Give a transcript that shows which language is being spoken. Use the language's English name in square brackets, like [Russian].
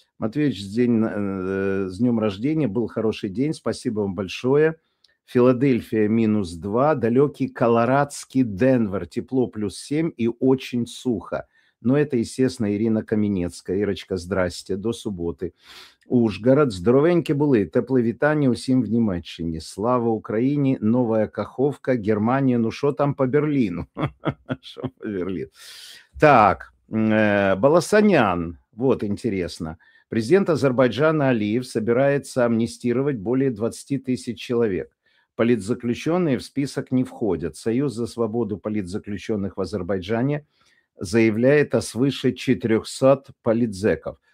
[Russian] Матвеевич, с днем рождения, был хороший день, спасибо вам большое. Филадельфия минус 2, далекий колорадский Денвер, тепло плюс 7 и очень сухо. Но это, естественно, Ирина Каменецкая. Ирочка, здрасте, до субботы. [Ukrainian] Ужгород, здоровеньки були, теплые вітання усім в Німеччині. Слава Україні, Новая Каховка, Германія, ну що там по Берліну? Що по Берліну? [Russian] Так, Баласанян, вот интересно. Президент Азербайджана Алиев собирается амнистировать более 20 тысяч человек. Политзаключенные в список не входят. Союз за свободу политзаключенных в Азербайджане заявляет о свыше 400 политзеков.